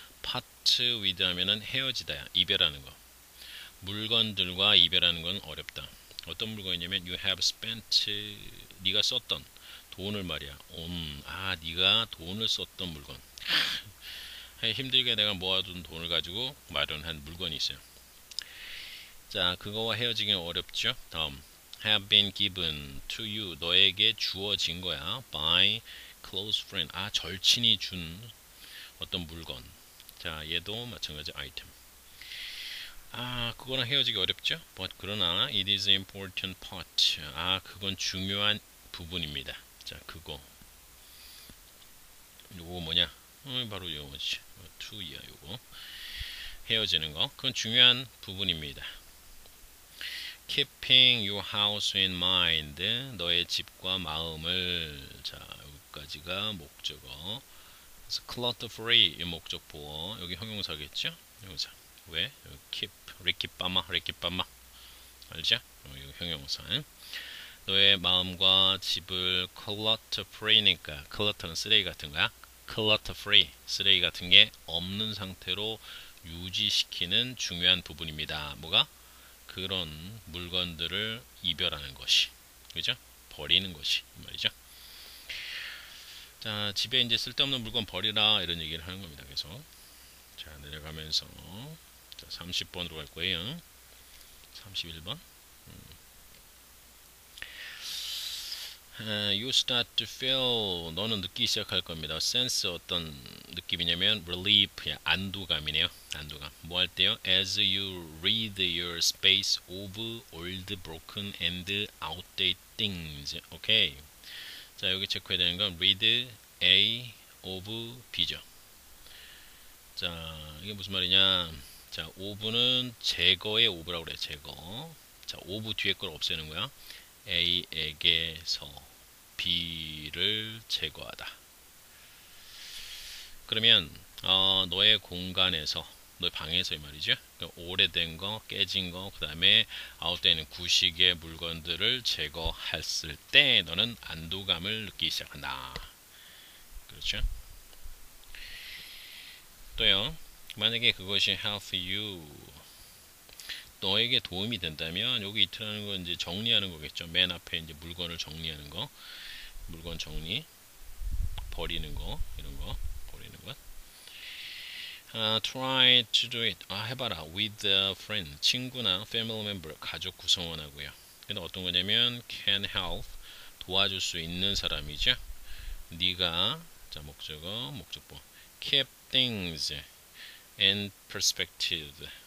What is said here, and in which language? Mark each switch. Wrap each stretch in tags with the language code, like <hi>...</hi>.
<en>Part with</en> <ko>하면은 헤어지다야. 이별하는 거. 물건들과 이별하는 건 어렵다. 어떤 물건이냐면</ko> <en>you have spent</en> <ko>네가 썼던 돈을 말이야. 네가 돈을 썼던 물건. 힘들게 내가 모아둔 돈을 가지고 마련한 물건이 있어요. 자, 그거와 헤어지긴 어렵죠. 다음</ko> <en>have been given to you</en> <ko>너에게 주어진 거야.</ko> <en>by close friend</en> <ko>아 절친이 준 어떤 물건. 자, 얘도 마찬가지 아이템. 아, 그거랑 헤어지기 어렵죠?</ko> <en>But</en> <ko>그러나</ko> <en>it is important part.</en> <ko>아, 그건 중요한 부분입니다. 자, 그거. 요거 뭐냐? 바로 요거지. 투이야, 요거. 헤어지는 거. 그건 중요한 부분입니다.</ko> <en>Keeping your house in mind.</en> <ko>너의 집과 마음을. 자, 여기까지가 목적어. 그래서 clutter free 이 목적 보어. 여기 형용사겠죠? 형용사. 왜? 여기 keep, 리키빠마, 리키빠마. 알죠? 여기 형용사. 응? 너의 마음과 집을 clutter free니까. clutter는 쓰레기 같은 거야. clutter free. 쓰레기 같은 게 없는 상태로 유지시키는 중요한 부분입니다. 뭐가? 그런 물건들을 이별하는 것이. 그죠? 버리는 것이. 말이죠? 자, 집에 이제 쓸데없는 물건 버리라 이런 얘기를 하는 겁니다. 그래서 자, 내려가면서 자, 30번으로 갈 거예요. 31번.</ko> <en>You start to feel</en> <ko>너는 느끼기 시작할 겁니다. Sense 어떤 느낌이냐면 relief 야, 안도감이네요. 안도감. 뭐할 때요?</ko> <en>As you read your space of old broken and outdated things.</en> <ko>오케이. 자, 여기 체크해야 되는 건 read A of B죠. 자, 이게 무슨 말이냐? 자, 오브는 제거의 오브라고 그래. 제거. 자, 오브 뒤에 걸 없애는 거야. A에게서 B를 제거하다. 그러면 너의 공간에서, 너의 방에서 이 말이죠. 그러니까 오래된 거, 깨진 거, 그다음에 아웃되어 있는 구식의 물건들을 제거했을 때 너는 안도감을 느끼기 시작한다. 그렇죠? 또요, 만약에 그것이</ko> <en>help you</en> <ko>너에게 도움이 된다면 여기 it라는 건 이제 정리하는 거겠죠. 맨 앞에 이제 물건을 정리하는 거, 물건 정리, 버리는 거, 이런 거, 버리는 것.</ko> <en>Try to do it.</en> <ko>아, 해봐라.</ko> <en>With a friend,</en> <ko>친구나</ko> <en>family member,</en> <ko>가족 구성원하고요. 근데 어떤 거냐면</ko> <en>can help</en> <ko>도와줄 수 있는 사람이죠. 네가 자, 목적어, 목적보.</ko> <en>Keep things in perspective.</en>